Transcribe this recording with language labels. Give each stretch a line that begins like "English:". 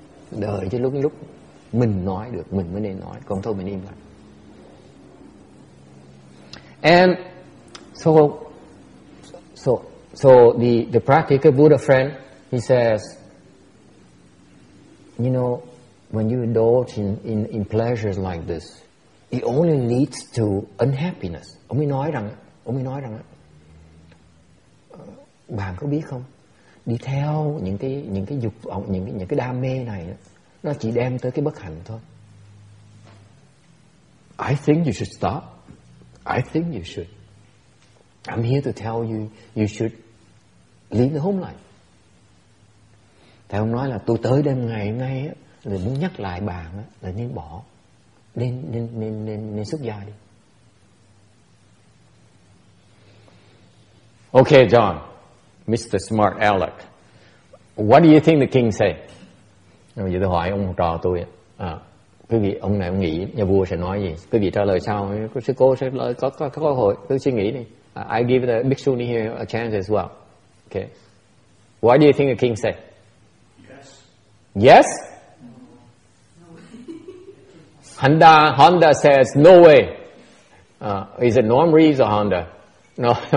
Vietnamese: Đợi cho lúc mình nói được, mình mới nên nói. Còn thôi mình im lặng.
English: And so the practical Buddha friend, he says, you know, when you indulge in pleasures like this, it only leads to unhappiness.
Vietnamese: Ông ấy nói rằng, bạn có biết không? Đi theo những cái dục vọng, những cái đam mê này, nó chỉ đem tới cái bất hạnh thôi.
English: I think you should stop. I think you should. I'm here to tell you, you should leave the home life.
Vietnamese: Thầy ông nói là tôi tới đêm ngày hôm nay là muốn nhắc lại bạn là nên bỏ, nên xuất gia đi.
English: Okay, John, Mr. Smart Alec, what do you think the king say?
Vietnamese: Vậy tôi hỏi ông trò tôi. Quý vị, ông này ông nghĩ nhà vua sẽ nói gì? Quý vị trả lời sao? Sư cô sẽ lời có cơ hội. Tôi suy nghĩ đi.
English: I give the bhikshu here a chance as well. Okay. What do you think the king said? Yes. No. Honda says no way. Is it Norm Reeves or Honda? No.